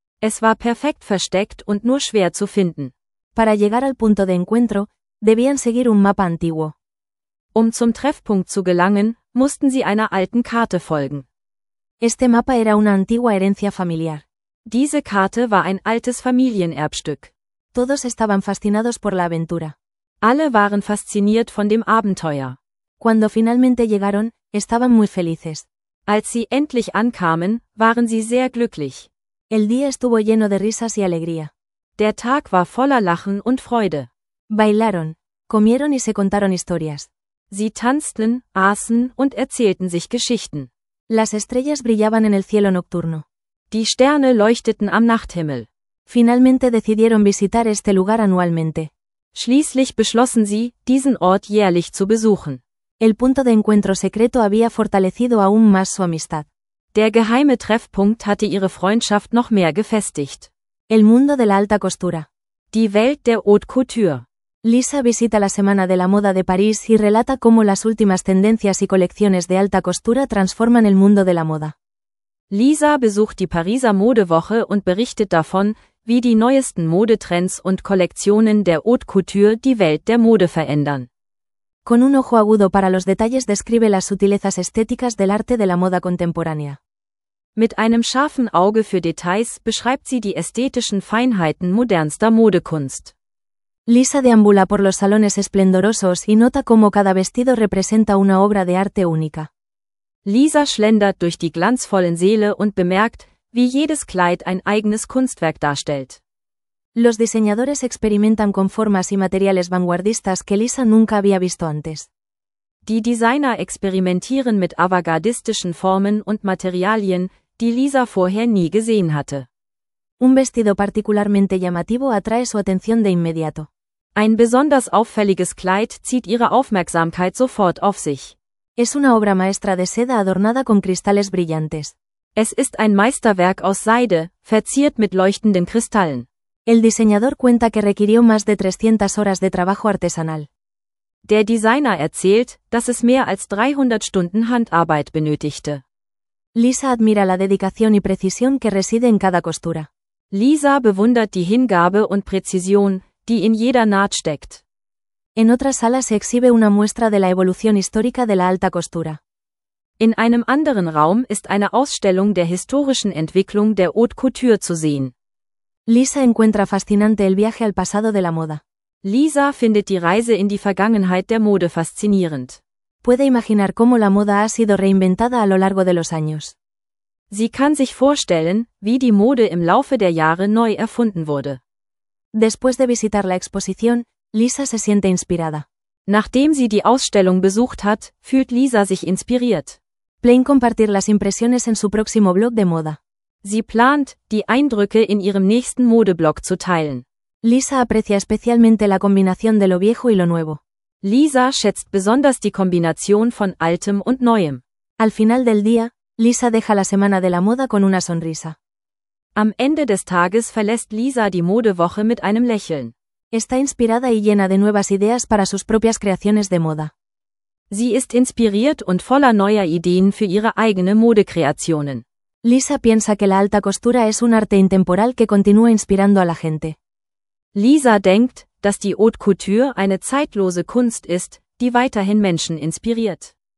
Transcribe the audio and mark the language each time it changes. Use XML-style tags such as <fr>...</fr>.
<de>Es war perfekt versteckt und nur schwer zu finden.</de> <es>Para llegar al punto de encuentro, debían seguir un mapa antiguo.</es> <de>Um zum Treffpunkt zu gelangen, mussten sie einer alten Karte folgen.</de> <es>Este mapa era una antigua herencia familiar.</es> <de>Diese Karte war ein altes Familienerbstück.</de> <es>Todos estaban fascinados por la aventura.</es> <de>Alle waren fasziniert von dem Abenteuer.</de> <es>Cuando finalmente llegaron, estaban muy felices.</es> <de>Als sie endlich ankamen, waren sie sehr glücklich.</de> <es>El día estuvo lleno de risas y alegría.</es> <de>Der Tag war voller Lachen und Freude.</de> <es>Bailaron, comieron y se contaron historias.</es> <de>Sie tanzten, aßen und erzählten sich Geschichten.</de> <es>Las estrellas brillaban en el cielo nocturno.</es> <de>Die Sterne leuchteten am Nachthimmel.</de> <es>Finalmente decidieron visitar este lugar anualmente.</es> <de>Schließlich beschlossen sie, diesen Ort jährlich zu besuchen.</de> <es>El punto de encuentro secreto había fortalecido aún más su amistad.</es> <de>Der geheime Treffpunkt hatte ihre Freundschaft noch mehr gefestigt.</de> <es>El mundo de la alta costura.</es> <de>Die Welt der Haute Couture.</de> <es>Lisa visita la Semana de la Moda de París y relata cómo las últimas tendencias y colecciones de alta costura transforman el mundo de la moda.</es> <de>Lisa besucht die Pariser Modewoche und berichtet davon, wie die neuesten Modetrends und Kollektionen der Haute Couture die Welt der Mode verändern.</de> <es>Con un ojo agudo para los detalles describe las sutilezas estéticas del arte de la moda contemporánea.</es> <de>Mit einem scharfen Auge für Details beschreibt sie die ästhetischen Feinheiten modernster Modekunst.</de> <es>Lisa deambula por los salones esplendorosos y nota cómo cada vestido representa una obra de arte única.</es> <de>Lisa schlendert durch die glanzvollen Säle und bemerkt, wie jedes Kleid ein eigenes Kunstwerk darstellt.</de> <es>Los diseñadores experimentan con formas y materiales vanguardistas que Lisa nunca había visto antes.</es> <de>Die Designer experimentieren mit avantgardistischen Formen und Materialien, die Lisa vorher nie gesehen hatte.</de> <es>Un vestido particularmente llamativo atrae su atención de inmediato.</es> <de>Ein besonders auffälliges Kleid zieht ihre Aufmerksamkeit sofort auf sich.</de> <es>Es una obra maestra de seda adornada con cristales brillantes.</es> <de>Es ist ein Meisterwerk aus Seide, verziert mit leuchtenden Kristallen.</de> <es>El diseñador cuenta que requirió más de 300 horas de trabajo artesanal.</es> <de>Der Designer erzählt, dass es mehr als 300 Stunden Handarbeit benötigte.</de> <es>Lisa admira la dedicación y precisión que reside en cada costura.</es> <de>Lisa bewundert die Hingabe und Präzision, die in jeder Naht steckt.</de> <es>En otra sala se exhibe una muestra de la evolución histórica de la alta costura.</es> <de>In einem anderen Raum ist eine Ausstellung der historischen Entwicklung der Haute Couture zu sehen.</de> <es>Lisa encuentra fascinante el viaje al pasado de la moda.</es> <de>Lisa findet die Reise in die Vergangenheit der Mode faszinierend.</de> <es>Puede imaginar cómo la moda ha sido reinventada a lo largo de los años.</es> <de>Sie kann sich vorstellen, wie die Mode im Laufe der Jahre neu erfunden wurde.</de> <es>Después de visitar la exposición, Lisa se siente inspirada.</es> <de>Nachdem sie die Ausstellung besucht hat, fühlt Lisa sich inspiriert.</de> <es>Plan compartir las impresiones en su próximo blog de moda.</es> <de>Sie plant, die Eindrücke in ihrem nächsten Modeblog zu teilen.</de> <es>Lisa aprecia especialmente la combinación de lo viejo y lo nuevo.</es> <de>Lisa schätzt besonders die Kombination von Altem und Neuem.</de> <es>Al final del día, Lisa deja la Semana de la Moda con una sonrisa.</es> <de>Am Ende des Tages verlässt Lisa die Modewoche mit einem Lächeln.</de> <es>Está inspirada y llena de nuevas ideas para sus propias creaciones de moda.</es> <de>Sie ist inspiriert und voller neuer Ideen für ihre eigene Modekreationen.</de> <es>Lisa piensa que la alta costura es un arte intemporal que continúa inspirando a la gente.</es> <de>Lisa denkt, dass die Haute Couture eine zeitlose Kunst ist, die weiterhin Menschen inspiriert.</de>